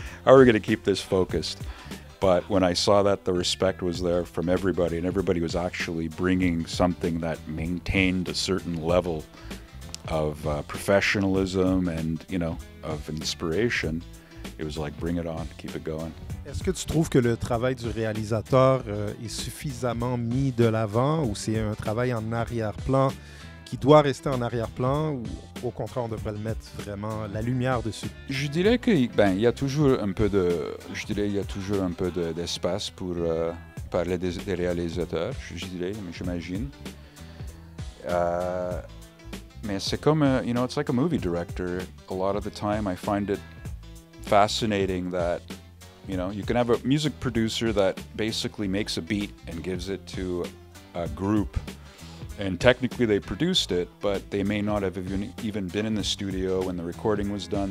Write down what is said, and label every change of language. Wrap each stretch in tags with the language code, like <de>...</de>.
<en>How are we going to keep this focused? But when I saw that the respect was there from everybody and everybody was actually bringing something that maintained a certain level of professionalism and, you know, of inspiration, it was like, bring it on, keep it going.</en> <fr>Est-ce que tu trouves que le travail du réalisateur est suffisamment mis de l'avant, ou c'est un travail en arrière-plan qui doit rester en arrière-plan, ou au contraire, on devrait le mettre vraiment la lumière dessus? Je dirais que ben il y a toujours un peu de, je dirais il y a toujours un peu de, d'espace pour parler des réalisateurs. Je dirais, mais j'imagine. Mais c'est comme,</fr> <en>you know, it's like a movie director. A lot of the time, I find it fascinating that, you know, you can have a music producer that basically makes a beat and gives it to a group, and technically they produced it, but they may not have even been in the studio when the recording was done.</en>